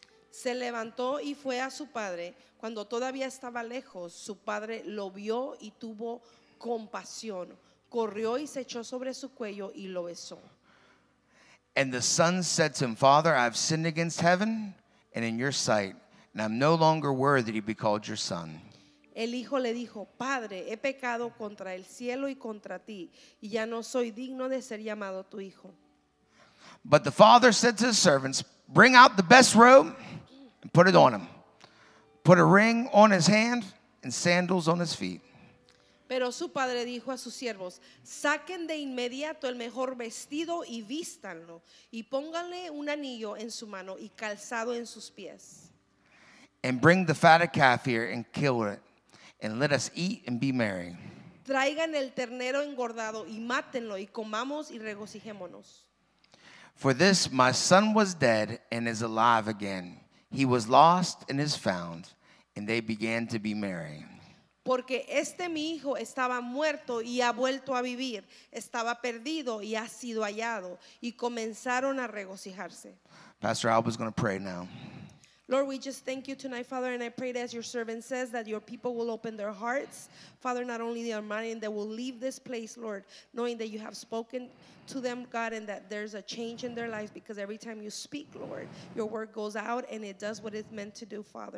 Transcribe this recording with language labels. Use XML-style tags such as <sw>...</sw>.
<es>Se levantó y fue a su padre. Cuando todavía estaba lejos, su padre lo vio y tuvo compasión. Corrió y se echó sobre su cuello y lo besó.</es> <en>And the son said to him, Father, I have sinned against heaven and in your sight, and I'm no longer worthy to be called your son.</en> <es>El hijo le dijo, Padre, he pecado contra el cielo y contra ti, y ya no soy digno de ser llamado tu hijo.</es> <en>But the father said to his servants, bring out the best robe and put it on him. Put a ring on his hand and sandals on his feet.</en> <es>Pero su padre dijo a sus siervos, saquen de inmediato el mejor vestido y vístanlo, y pónganle un anillo en su mano y calzado en sus pies.</es> <en>And bring the fatted calf here and kill it, and let us eat and be merry.</en> <es>Traigan el ternero engordado y mátenlo y comamos y regocijémonos.</es> <en>For this my son was dead and is alive again. He was lost and is found, and they began to be merry.</en> <es>Porque este mi hijo estaba muerto y ha vuelto a vivir, estaba perdido y ha sido hallado, y comenzaron a regocijarse.</es> <en>Pastor Alba's going to pray now. Lord, we just thank you tonight, Father, and I pray that as your servant says, that your people will open their hearts, Father, not only their mind, and they will leave this place, Lord, knowing that you have spoken to them, God, and that there's a change in their life, because every time you speak, Lord, your word goes out and it does what it's meant to do, Father.</en>